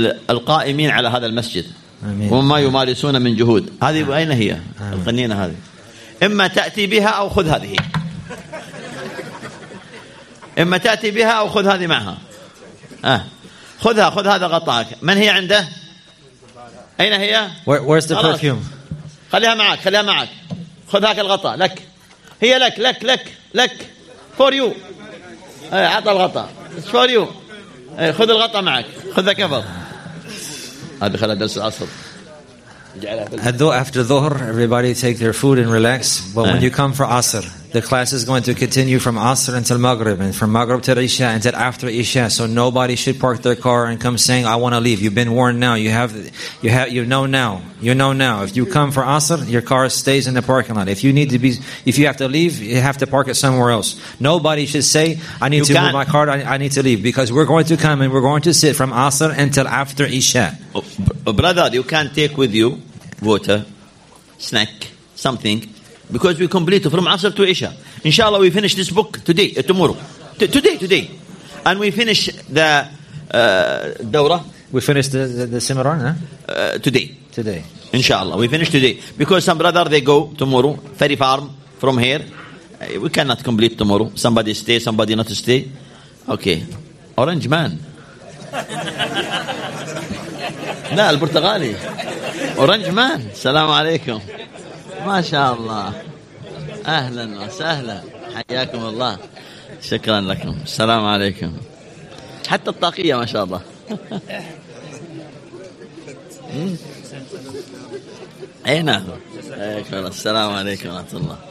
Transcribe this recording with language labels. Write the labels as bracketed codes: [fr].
[ar] القائمين على هذا المسجد وما يمارسون من جهود هذه أين هي؟ القنينة هذه إما تأتي بها أو خذ هذه إما تأتي بها أو خذ هذه معها خذها خذ هذا غطاك من هي عنده أين هي [en] Where's the perfume [ar] خليها معك خذ هاك الغطاء لك هي لك لك لك لك [en] for you [ar] عطى الغطاء [en] It's for you [ar] خذ الغطاء معك خذ ذاك أفضل هذا خلال درس العصر [en] After Dhuhr, everybody take their food and relax. But when you come for Asr, the class is going to continue from Asr until Maghrib, and from Maghrib to Isha, and then after Isha. So nobody should park their car and come saying, "I want to leave." You've been warned now. You know now. If you come for Asr, your car stays in the parking lot. If you have to leave, you have to park it somewhere else. Nobody should say, "I need you to move my car. I need to leave," because we're going to come and we're going to sit from Asr until after Isha. Brother, you can take with you water, snack, something, because we complete from Asr to Isha. Inshallah, we finish this book today, tomorrow. Today. And we finish the Dawra. We finish the seminar, huh? Today. Today. Inshallah, we finish today. Because some brother, they go tomorrow, ferry farm from here. We cannot complete tomorrow. Somebody stay, somebody not stay. Okay. Orange man. [ar] لا البرتغالي [en] orange man [ar] السلام عليكم ما شاء الله أهلا وسهلا حياكم الله شكرا لكم السلام عليكم حتى الطاقية ما شاء الله أين هذا السلام عليكم ورحمة الله